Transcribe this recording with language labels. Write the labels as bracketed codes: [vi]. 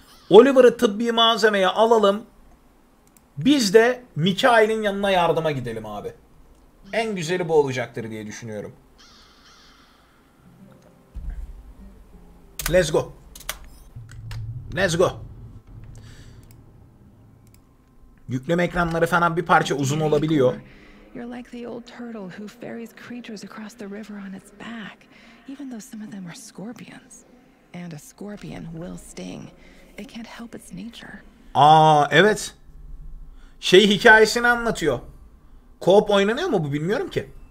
[tr] Oliver'ı tıbbi malzemeye alalım. Biz de Mikail'in yanına yardıma gidelim abi. En güzeli bu olacaktır diye düşünüyorum. [en] Let's go. Let's go. [tr] Yükleme ekranları falan bir parça uzun olabiliyor. [en] You're like the old turtle who ferries creatures across the river on its back, even though some of them are scorpions. And a scorpion will sting. It can't help its nature. [tr] Aa evet. Şey hikayesini anlatıyor. Co-op oynanıyor mu bu bilmiyorum ki.